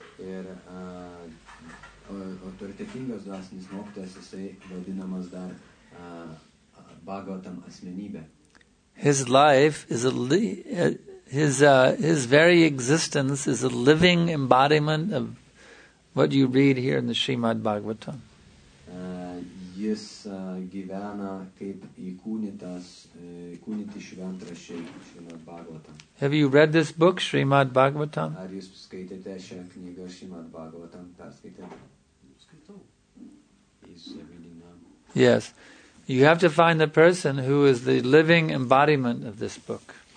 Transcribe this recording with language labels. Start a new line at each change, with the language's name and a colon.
Lithuanian: Ir autoritetingas dvasinis mokytojas, jisai vadinamas dar Bhagavatam asmenybe.
English: His life is his very existence is a living embodiment of what you read here in the Srimad Bhagavatam.
Lithuanian: Jis gyvena kaip įkūnytas, įkūnyti šventrašiai Srimad Bhagavatam.
English: Have you read this book, Srimad Bhagavatam?
Lithuanian: Ar jūs skaitėte šią knygą Srimad Bhagavatam? Perskaitėte? Skaitau. Jis
English: reading now. Yes. You have to find the person who is the living embodiment of this book.